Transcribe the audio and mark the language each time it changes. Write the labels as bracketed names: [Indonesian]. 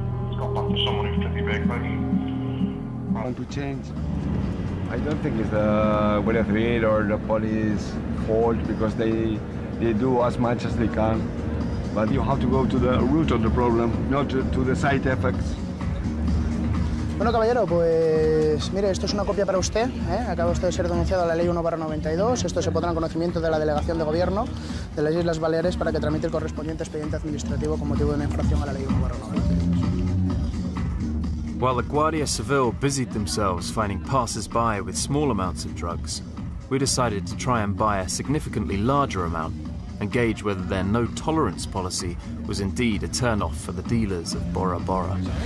[English] It's got back to someone who's pretty big, like. I want to change. I don't think it's the Guardia Civil or the police fault because they do as much as they can. But you have to go to the root of the problem, not to the side effects. [Spanish] Bueno, caballero, pues mire, esto es una copia para usted. Acaba usted de ser denunciado a la ley 1/92. Esto se pondrá en conocimiento de la delegación de gobierno de las Islas Baleares para que tramite el correspondiente expediente administrativo con motivo de una infracción a la ley 1/92. [English] While the Guardia Civil busied themselves finding passers-by with small amounts of drugs, we decided to try and buy a significantly larger amount and gauge whether their no-tolerance policy was indeed a turn-off for the dealers of Bora Bora.